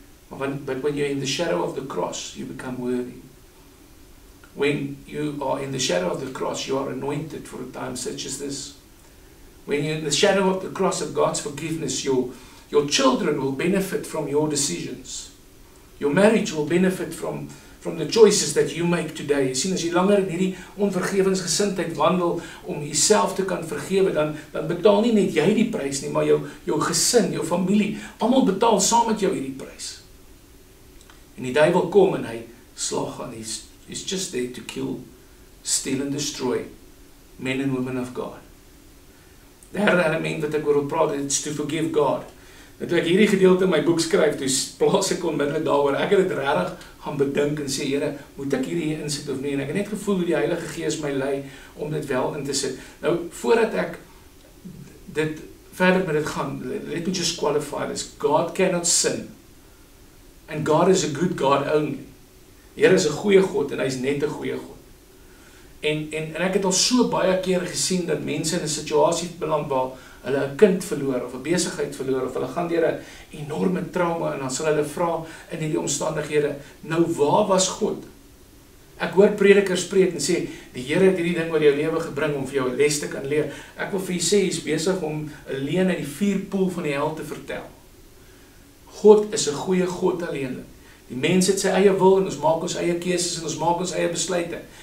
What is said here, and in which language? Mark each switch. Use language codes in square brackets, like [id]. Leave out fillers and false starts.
[en] But when you're in the shadow of the cross, you become worthy. When you are in the shadow of the cross, you are anointed for a time such as this. When you're in the shadow of the cross of God's forgiveness, your children will benefit from your decisions. Your marriage will benefit from the choices that you make today. [af] Jy sien, as jy langer in hierdie onvergewensgesindheid wandel om jyself te kan vergewe, dan betaal nie net jy die prys nie, maar jou gesin, jou familie, almal betaal saam met jou hierdie prys. En die duivel kom en hy slag aan, [en] he's just there to kill, steal and destroy men and women of God. [af] Derde element wat ek oor wil praat, is [en] to forgive God. [af] Toe ek hierdie gedeelte in my boek skryf, toe plaas ek onmiddellik daaroor. Ek het dit regtig gaan bedink en sê, Here, moet ek hierdie insit of nie? En ek het net gevoel hoe die Heilige Gees my lei om dit wel in te sit. Nou, voordat ek dit verder met dit gaan, [en] let me just qualify this. God cannot sin. And God is a good God only. [af] Here is een goeie God en hy is net een goeie God. En ek het al so baie keer gesien dat mense in een situasie beland waar hulle een kind verloor of een besigheid verloor of hulle gaan deur een enorme trauma en dan sal hulle vra in die omstandighede, nou waar was God? Ek hoor predikers spreek en sê, die Here het hierdie ding oor jou lewe gebring om vir jou een les te kan leer. Ek wil vir jy sê, jy is besig om alleen in die vier poel van die hel te vertel. God is een goeie God alleen. Die mens het sy eie wil en ons maak ons eie keuses en ons maak ons eie besluite.